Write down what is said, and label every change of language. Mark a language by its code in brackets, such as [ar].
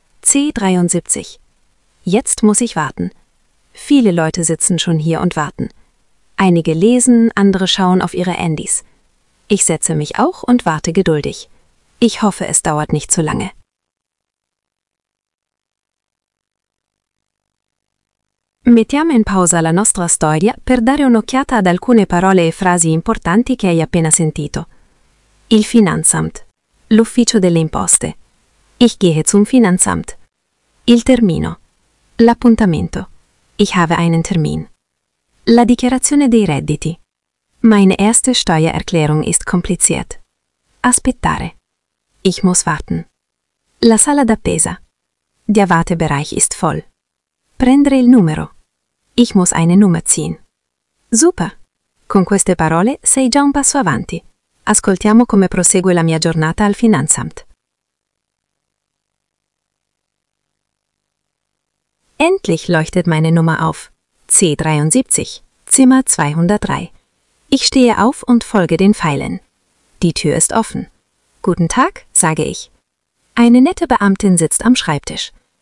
[de] C73. Jetzt muss ich warten. Viele Leute sitzen schon hier und warten. Einige lesen, andere schauen auf ihre Handys. Ich setze mich auch und warte geduldig. Ich hoffe, es dauert nicht zu lange. [it] Mettiamo in pausa la nostra storia per dare un'occhiata ad alcune parole e frasi importanti che hai appena sentito. Il Finanzamt. L'ufficio delle imposte. [de] Ich gehe zum Finanzamt. [it] Il termino. L'appuntamento. [de] Ich habe einen Termin. [it] La dichiarazione dei redditi. [de] Meine erste Steuererklärung ist kompliziert. [it] Aspettare. [de] Ich muss warten. [it] La sala d'attesa. [de] Der Wartebereich ist voll. [it] Prendere il numero. [de] Ich muss eine Nummer ziehen. Super! [it] Con queste parole sei già un passo avanti. Ascoltiamo come prosegue la mia giornata al Finanzamt. [de] Endlich leuchtet meine Nummer auf. C73, Zimmer 203. Ich stehe auf und folge den Pfeilen. Die Tür ist offen. Guten Tag, sage ich. Eine nette Beamtin sitzt am Schreibtisch.